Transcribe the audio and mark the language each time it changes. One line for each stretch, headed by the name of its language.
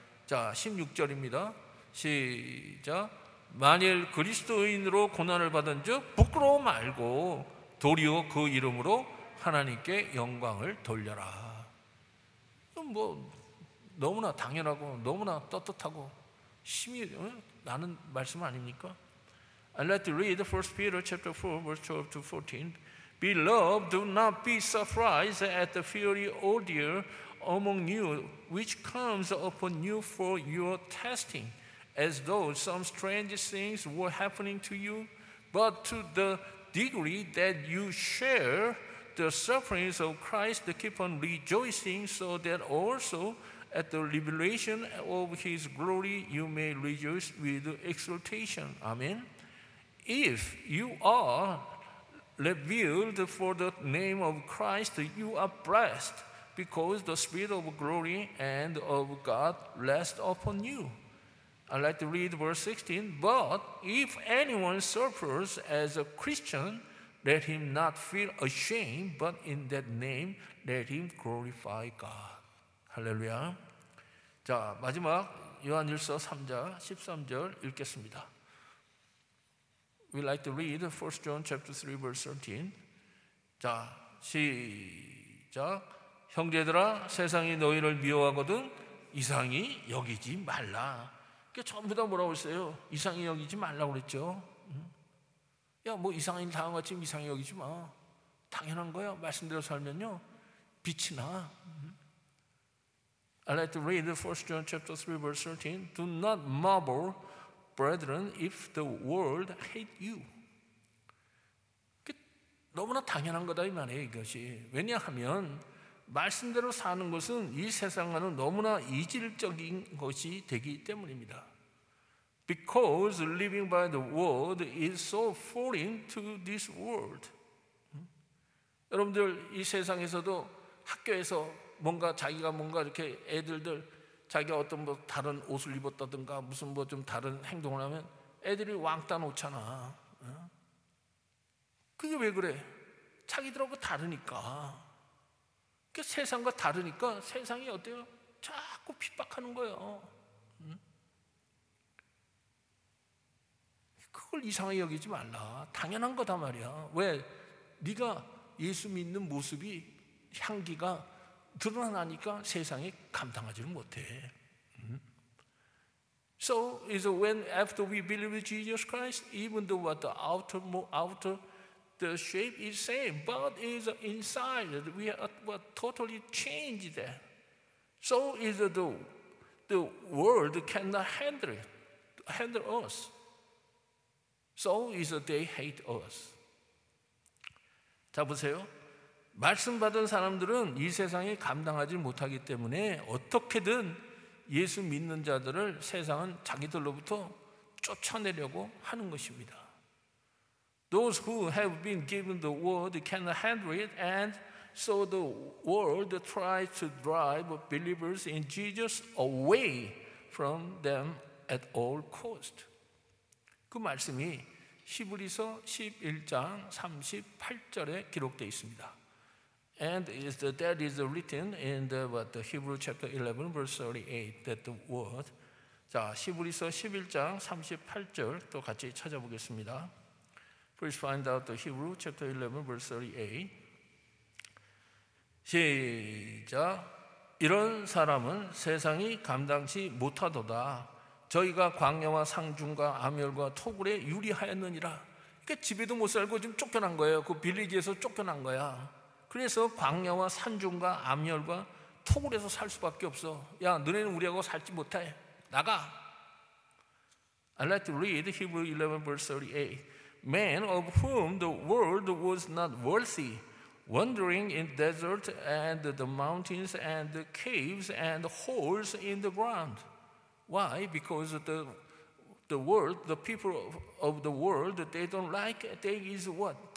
Korean: 자, 16절입니다. 시작. 만일 그리스도인으로 고난을 받은 즉 부끄러워 말고 도리어 그 이름으로 하나님께 영광을 돌려라. 뭐 너무나 당연하고 너무나 떳떳하고 심히 나는 말씀 아닙니까?
English: I'd like to read 1 Peter chapter 4, verse 12 to 14. Beloved, do not be surprised at the fiery ordeal among you, which comes upon you for your testing, as though some strange things were happening to you. But to the degree that you share the sufferings of Christ, keep on rejoicing, so that also at the revelation of his glory you may rejoice with exultation. Amen. If you are revealed for the name of Christ, you are blessed, because the spirit of glory and of God rests upon you. I'd like to read verse 16. But if anyone suffers as a Christian, let him not feel ashamed, but in that name let him glorify God. Hallelujah.
Korean: 자, 마지막 요한일서 3장 13절 읽겠습니다.
English: We like to read 1 John chapter 3 verse 13.
Korean: 자, 시작. 형제들아, 세상이 너희를 미워하거든 이상히 여기지 말라. 그러니까 전부 다 뭐라고 했어요? 이상히 여기지 말라고 그랬죠. 야, 뭐 이상히 당한 것 같지만 이상히 여기지 마. 당연한 거야. 말씀대로 살면요 빛이 나.
English: I like to read 1 John chapter 3 verse 13. Do not marvel, brethren, if the world hate you.
Korean: 너무나 당연한 거다 이 말이에요, 이것이. 왜냐하면 말씀대로 사는 것은 이 세상과는 너무나 이질적인 것이 되기 때문입니다.
English: Because living by the world is so foreign to this world.
Korean: 여러분들 이 세상에서도 학교에서 뭔가 자기가 뭔가 이렇게 애들 자기가 어떤 뭐 다른 옷을 입었다든가 무슨 뭐 좀 다른 행동을 하면 애들이 왕따 놓잖아. 그게 왜 그래? 자기들하고 다르니까. 그 세상과 다르니까 세상이 어때요? 자꾸 핍박하는 거예요. 그걸 이상하게 여기지 말라. 당연한 거다 말이야. 왜? 네가 예수 믿는 모습이 향기가 드러나니까 세상이 감당하지를 못해.
English: So is when after we believe Jesus Christ, even though what the outer the shape is same, but is inside we are totally changed. So is the world cannot handle us. So is they hate us.
Korean: 자 보세요. 말씀받은 사람들은 이 세상에 감당하지 못하기 때문에 어떻게든 예수 믿는 자들을 세상은 자기들로부터 쫓아내려고 하는 것입니다.
English: Those who have been given the word can handle it, and so the world tries to drive believers in Jesus away from them at all cost.
Korean: 그 말씀이 히브리서 11장 38절에 기록되어 있습니다.
English: And that is written in the, what, the Hebrew chapter 11 verse 38, that the word.
Korean: 자, 히브리서 11장 38절 또 같이 찾아보겠습니다.
English: Please find out the Hebrew chapter 11 verse 38.
Korean: 시작. 이런 사람은 세상이 감당치 못하도다. 저희가 광야와 상중과 암혈과 토굴에 유리하였느니라. 그러니까 집에도 못 살고 지금 쫓겨난 거예요. 그 빌리지에서 쫓겨난 거야. 그래서 광야와 산중과 암혈과 토굴에서 살 수밖에 없어. 야, 너네는 우리하고 살지 못해. 나가.
English: I'd like to read Hebrews 11 verse 38. Men of whom the world was not worthy, wandering in desert and the mountains and the caves and holes in the ground. Why? Because the world, the people of the world, they don't like, they is what?